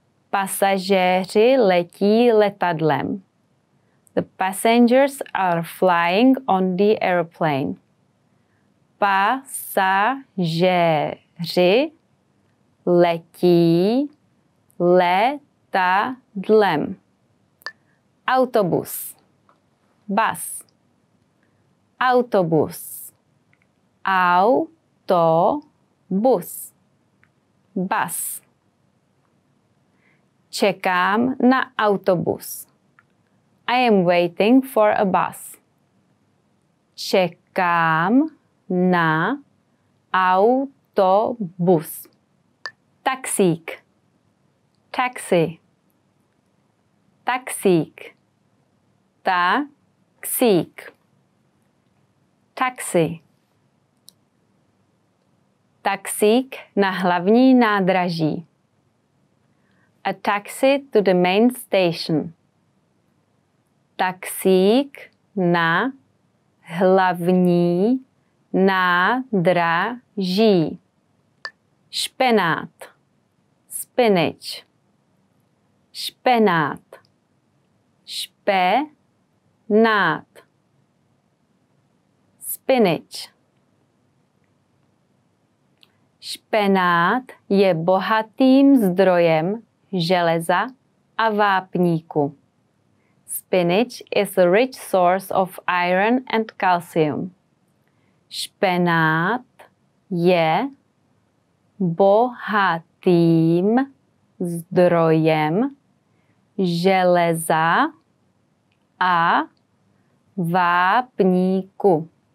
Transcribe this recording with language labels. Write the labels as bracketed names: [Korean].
[Czech] Pasažéři letí letadlem. [English] The passengers are flying on the airplane. [Czech] Pasažéři letí letadlem. Autobus. [English] Bus. [Czech] Autobus. Autobus. [English] Bus. [Czech] Čekám na autobus. [English] I am waiting for a bus. [Czech] Čekám na autobus. Taxík. [English] Taxi. [Czech] Taxík. Taxík. [English] Taxi. [Czech] Taxík na hlavní nádraží. [English] A taxi to the main station. [Czech] Taxík na hlavní nádraží. Špenát. [English] Spinach. [Czech] Špenát. Špenát. [English] Spinach. [Czech] Špenát je bohatým zdrojem železa a vápníku. [English] Spinach is a rich source of iron and calcium. [Czech] Špenát je bohatým zdrojem železa a vápníku.